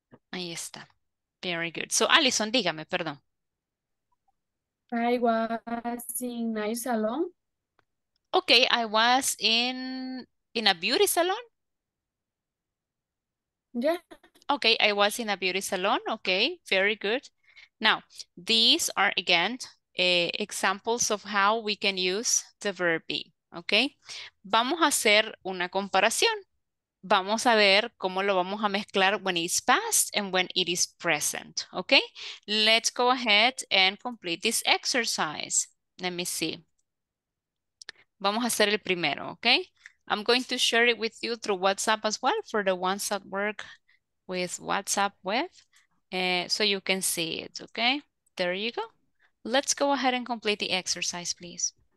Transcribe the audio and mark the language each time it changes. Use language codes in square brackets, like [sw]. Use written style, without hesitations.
[es] Ahí está. [en] Very good. [es] So, Alison, dígame, perdón. [en] I was in a nice salon. Okay, I was in a beauty salon. Yeah. Okay, I was in a beauty salon. Okay, very good. Now, these are, again, examples of how we can use the verb be. [es] Okay, vamos a hacer una comparación. Vamos a ver cómo lo vamos a mezclar [en] when it's past and when it is present, [es] okay? [en] Let's go ahead and complete this exercise. Let me see. [es] Vamos a hacer el primero, okay? [en] I'm going to share it with you through WhatsApp as well for the ones that work with WhatsApp web, so you can see it, okay? There you go. Let's go ahead and complete the exercise, please.